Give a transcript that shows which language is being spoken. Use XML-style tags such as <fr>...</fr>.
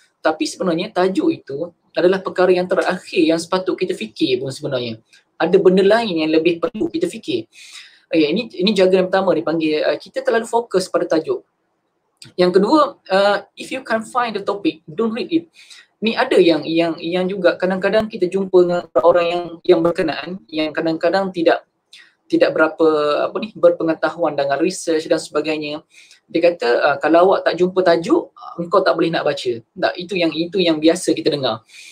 <ms>Tapi sebenarnya tajuk itu adalah perkara yang terakhir yang sepatut kita fikir pun sebenarnya. Ada benda lain yang lebih perlu kita fikir. Okay, ini jargon yang pertama dipanggil, kita terlalu fokus pada tajuk.</ms> <en>Yang kedua, if you can't find the topic, don't read it.</en> <ms>Ni ada yang juga kadang-kadang kita jumpa dengan orang yang berkenaan yang kadang-kadang tidak berapa apa ni, berpengetahuan dengan research dan sebagainya. Dia kata, kalau awak tak jumpa tajuk, engkau tak boleh nak baca. Tak, itu yang biasa kita dengar.</ms>